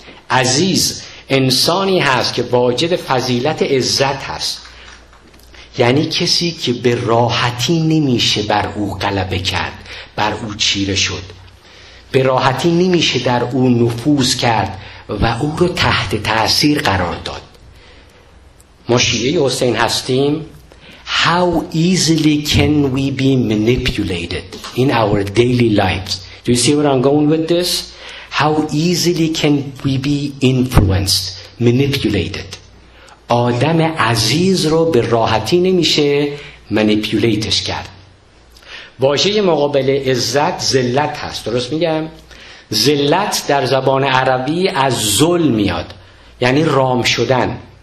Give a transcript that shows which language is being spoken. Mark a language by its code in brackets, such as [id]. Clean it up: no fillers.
[fa] عزیز انسانی هست که واجد فضیلت عزت هست، یعنی کسی که به راحتی نمیشه بر او غلبه کرد، بر او چیره شد، به راحتی نمیشه در او نفوذ کرد و او رو تحت تأثیر قرار داد. ما شیعه حسین هستیم. [en] How easily can we be manipulated in our daily lives? Do you see where I'm going with this? How easily can we be influenced, manipulated? [fa] آدم عزیز رو به راحتی نمیشه منیپولیتش کرد. واژه مقابل عزت ذلت هست. درست میگم؟ ذلت در زبان عربی از ذل میاد، یعنی رام شدن.